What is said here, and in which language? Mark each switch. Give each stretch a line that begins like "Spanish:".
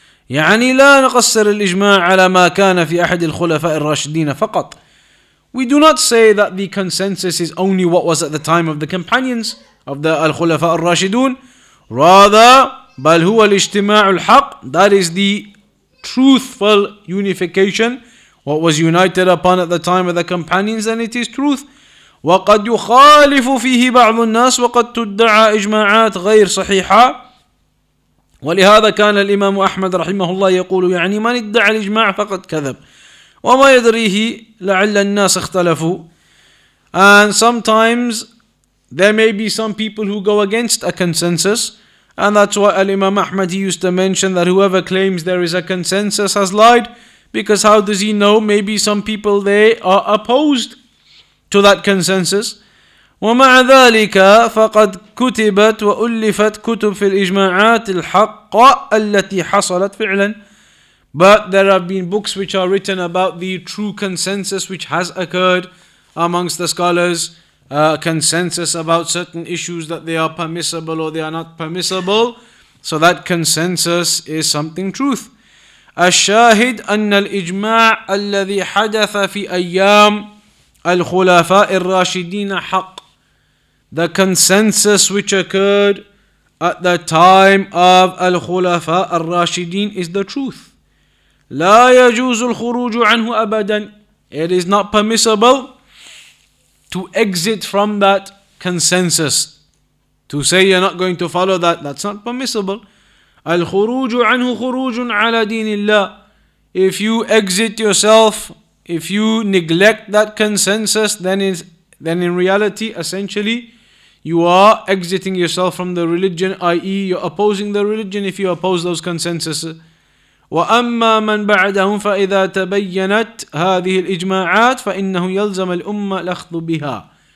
Arabic: يعني لا نقصر الإجماع على ما كان في أحد الخلفاء الراشدين فقط.
English: We do not say that the consensus is only what was at the time of the companions of the al-khulafa al-rashidun. Rather,
Arabic: بل هو الاجتماع الحق.
English: That is the truthful unification. What was united upon at the time of the companions, and it is truth.
Arabic: وقد يخالف فيه بعض الناس وقد تدعى إجماعات غير صحيحة ولهذا كان الإمام أحمد رحمه الله يقول يعني من ادعى الإجماع فقد كذب وما يدريه لعل الناس اختلفوا.
English: And sometimes there may be some people who go against a consensus, and that's why Imam Ahmad, he used to mention that whoever claims there is a consensus has lied, because how does he know? Maybe some people, they are opposed to that consensus.
Arabic: ومع ذلك فقد كتبت وألفت كتب في الإجماعات الحق التي حصلت فعلا.
English: But there have been books which are written about the true consensus which has occurred amongst the scholars, consensus about certain issues that they are permissible or they are not permissible. So that consensus is something truth.
Arabic: الشاهد أن الإجماع الذي حدث في أيام الخلفاء الراشدين حق.
English: The consensus which occurred at the time of الخلفاء الراشدين is the truth.
Arabic: لا يجوز الخروج عنه أبدا.
English: It is not permissible to exit from that consensus. To say you're not going to follow that, that's not permissible.
Arabic: الخروج عنه خروج على دين الله.
English: If you exit yourself, if you neglect that consensus, then then in reality, essentially, you are exiting yourself from the religion, i.e. you're opposing the religion if you oppose those consensus.
Arabic: وَأَمَّا مَنْ بَعْدَهُمْ فَإِذَا تَبَيَّنَتْ هَذِهِ الْإِجْمَاعَاتِ فَإِنَّهُ يَلْزَمَ الْأُمَّةِ لَخْضُ بِهَا.